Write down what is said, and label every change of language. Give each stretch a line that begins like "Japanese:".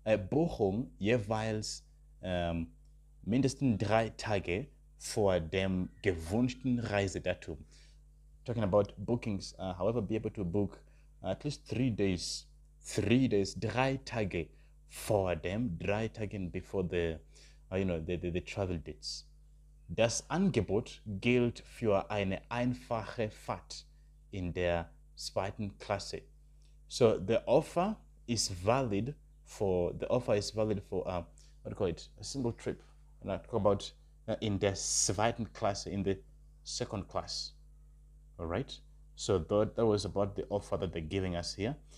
German: Buchung jeweils mindestens 3 Tage vor dem gewünschten Reisedatum.
English: Talking about bookings, however, be able to book at least 3 days, 3 days,
German: 3 Tage vor dem,
English: 3 Tage before the, the travel dates.
German: Das Angebot gilt für eine einfache Fahrt in der zweiten Klasse.
English: So the offer is valid for a single trip. And I talk about
German: in der zweiten Klasse,
English: in the second class. All right. So that was about the offer that they're giving us here.